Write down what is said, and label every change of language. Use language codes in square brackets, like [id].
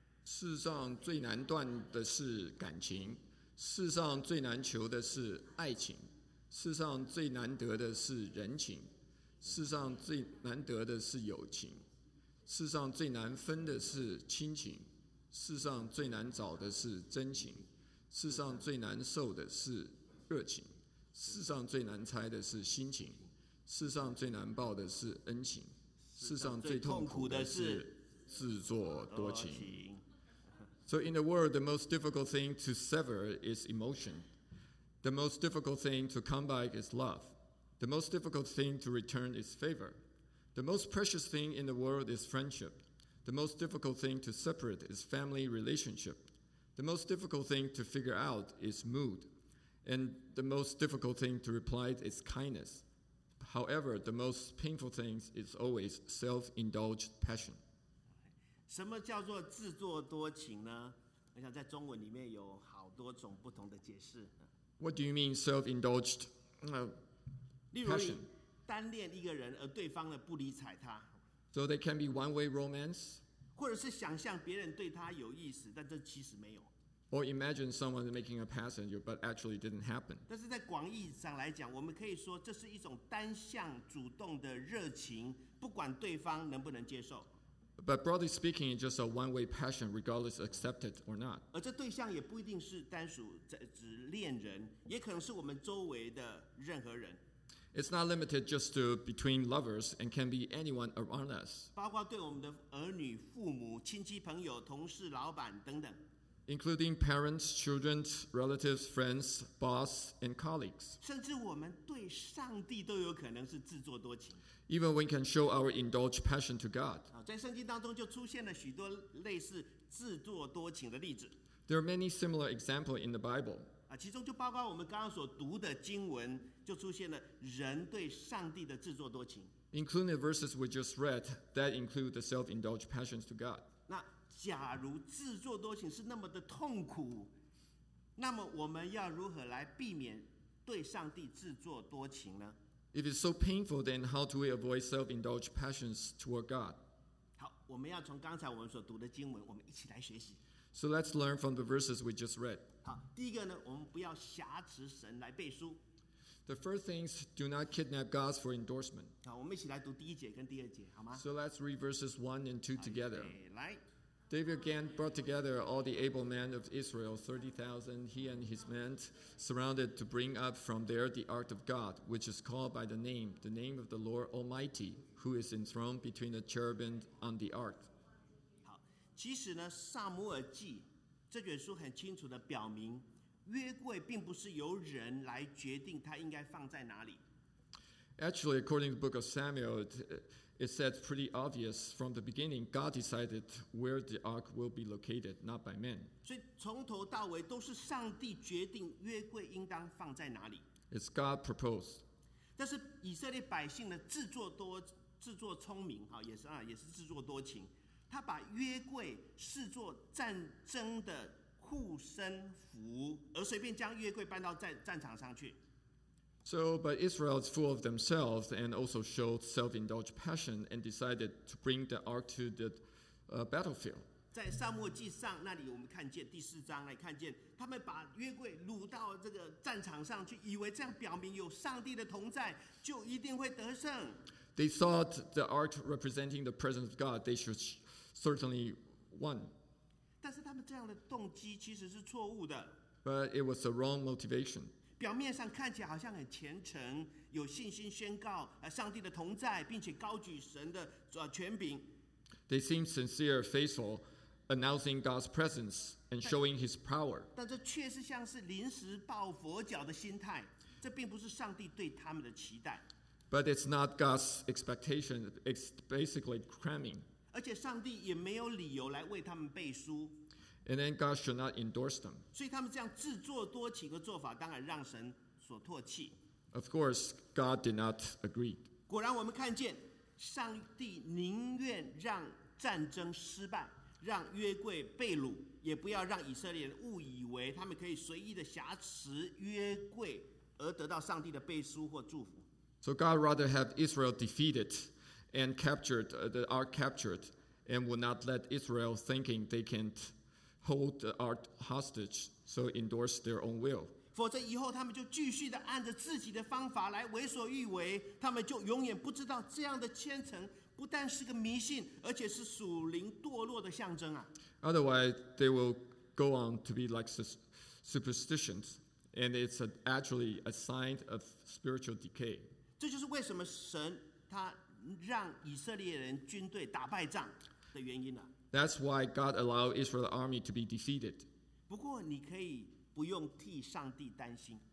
[zh] 世上最难断的是感情，世上最难求的是爱情，世上最难得的是人情，世上最难得的是友情，世上最难分的是亲情，世上最难找的是真情，世上最难受的是热情。世上最难猜的是心情，世上最难报的是恩情，世上最痛苦的是自作多情。 [en] So in the world, the most difficult thing to sever is emotion. The most difficult thing to come back is love. The most difficult thing to return is favor. The most precious thing in the world is friendship. The most difficult thing to separate is family relationship. The most difficult thing to figure out is mood. And the most difficult thing to reply is kindness. However, the most painful thing is always self-indulged passion. [zh] 什么叫做自作多情呢？我想在中文里面有好多种不同的解释。 [en] What do you mean self-indulged passion? [zh] 例如单恋一个人而对方不理睬他。 [en] So they can be one-way romance? [zh] 或者是想象别人对他有意思，但这其实没有。 [en] Or imagine someone making a pass at you, but actually didn't happen. [zh] 但是在广义上来讲，我们可以说这是一种单向主动的热情，不管对方能不能接受。 [en] But broadly speaking, it's just a one-way passion, regardless accepted or not. [zh] 而这对象也不一定是单属指恋人，也可能是我们周围的任何人。 [en] It's not limited just to between lovers and can be anyone around us. [zh] 包括对我们的儿女、父母、亲戚、朋友、同事、老板等等。 [en] Including parents, children, relatives, friends, boss, and colleagues. [zh] 甚至我们对上帝都有可能是自作多情。 [en] Even we can show our indulged passion to God. [zh] 在圣经当中就出现了许多类似自作多情的例子。 [en] There are many similar examples in the Bible. [zh] 其中就包括我们刚刚所读的经文，就出现了人对上帝的自作多情。 [en] Including the verses we just read, that include the self-indulged passions to God. [zh] 那假如自作多情是那么的痛苦，那么我们要如何来避免对上帝自作多情呢？ [en] If it's so painful, then how do we avoid self-indulged passions toward God? [zh] 好，我们要从刚才我们所读的经文，我们一起来学习。 [en] So let's learn from the verses we just read. [zh] 好，第一个呢，我们不要挟持神来背书。 [en] The first thing is do not kidnap God for endorsement. [zh] 好，我们一起来读第一节跟第二节，好吗 [en] ？So let's read verses 1 and 2 together. [zh] 来。 [en] David again brought together all the able men of Israel, 30,000, he and his men, surrounded to bring up from there the ark of God, which is called by the name of the Lord Almighty, who is enthroned between the cherubim on the ark. [zh] 好，其实呢，《撒母耳记》这卷书很清楚地表明，约柜并不是由人来决定它应该放在哪里。 [en] Actually, according to the book of Samuel, it said pretty obvious from the beginning, God decided where the ark will be located, not by men. [zh] 所以从头到尾都是上帝决定约柜应当放在哪里。 [en] It's God proposed. [zh] 但是以色列百姓呢，自作聪明，也是自作多情，他把约柜视作战争的护身符，而随便将约柜搬到战场上去。 [en] So, but Israel is full of themselves and also showed self-indulged passion and decided to bring the ark to the battlefield. [zh] 在撒母耳记上那里，我们看见第四章来看见，他们把约柜掳到这个战场上去，以为这样表明有上帝的同在，就一定会得胜。 [en] They thought the ark representing the presence of God, they should certainly win. [zh] 但是他们这样的动机其实是错误的。 [en] But it was the wrong motivation. [zh] 表面上看起来好像很虔诚，有信心宣告上帝的同在，并且高举神的权柄。 [en] They seem sincere, faithful, announcing God's presence and showing His power. [zh] 但这确实像是临时抱佛脚的心态，这并不是上帝对他们的期待。 [en] But it's not God's expectation. It's basically cramming. [zh] 而且上帝也没有理由来为他们背书。 [en] And then God should not endorse them. [zh] 所以他们这样自作多情的做法，当然让神所唾弃。 [en] Of course, God did not agree. [zh] 果然，我们看见上帝宁愿让战争失败，让约柜被掳，也不要让以色列人误以为他们可以随意的挟持约柜而得到上帝的背书或祝福。 [en] So God rather have Israel defeated and captured, the ark captured, and would not let Israel thinking they can't. Hold the ark hostage, so endorse their own will. [zh] 否则以后他们就继续的按着自己的方法来为所欲为，他们就永远不知道这样的虔诚不但是个迷信，而且是属灵堕落的象征啊。 [en] Otherwise, they will go on to be like superstitions, and it's actually a sign of spiritual decay. [zh] 这就是为什么神他让以色列人军队打败仗的原因了。 [en] That's why God allowed Israel's army to be defeated. [zh] 不过你可以不用替上帝担心。